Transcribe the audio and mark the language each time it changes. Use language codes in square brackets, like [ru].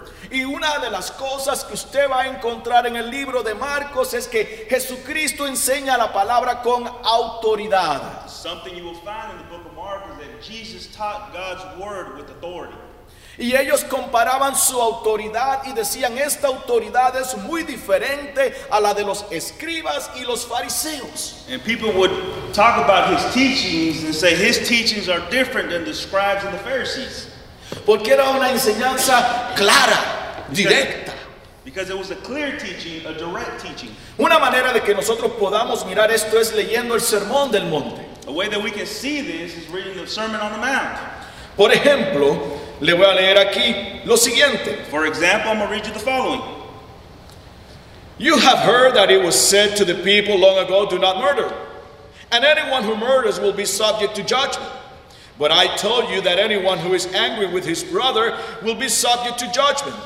[es] Y una de las cosas que usted va a encontrar en el libro de Marcos es que Jesucristo enseña la palabra con autoridad. [en] Something you will find in the book of Mark is that Jesus taught God's word with authority. [es] Y ellos comparaban su autoridad y decían, esta autoridad es muy diferente a la de los escribas y los fariseos. [en] And people would talk about his teachings and say his teachings are different than the scribes and the Pharisees. [es] Porque era una enseñanza clara, directa. [en] Because it was a clear teaching, a direct teaching. [es] Una manera de que nosotros podamos mirar esto es leyendo el Sermón del Monte. [en] A way that we can see this is reading the Sermon on the Mount. [es] Por ejemplo, le voy a leer aquí lo siguiente. [en] For example, I'm going to read you the following. You have heard that it was said to the people long ago, do not murder. And anyone who murders will be subject to judgment. But I tell you that anyone who is angry with his brother will be subject to judgment.